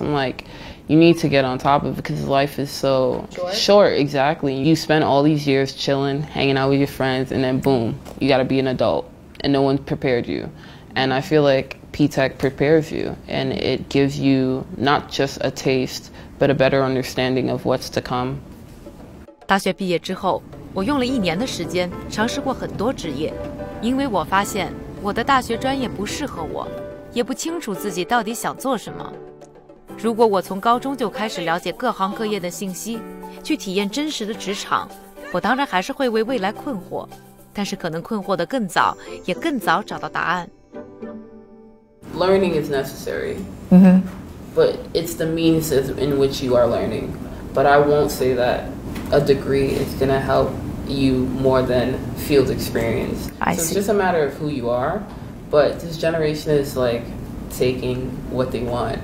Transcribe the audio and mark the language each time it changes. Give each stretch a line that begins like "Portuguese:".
English: I'm like, you need to get on top of it because life is so short. Exactly. You spend all these years chilling, hanging out with your friends, and then boom, you got to be an adult. And no one prepared you. And I feel like PTEC prepares you. And it gives you not just a taste, but a better understanding of what's to come.
Chinese: 大学毕业之后，我用了一年的时间尝试过很多职业。因为我发现我的大学专业不适合我，也不清楚自己到底想做什么。如果我从高中就开始了解各行各业的信息，去体验真实的职场，我当然还是会为未来困惑，但是可能困惑得更早，也更早找到答案。
English: Learning is necessary, but it's the means in which you are learning. But I won't say that a degree is going to help. You more than field experience. I see. So it's just a matter of who you are, but this generation is like taking what they want.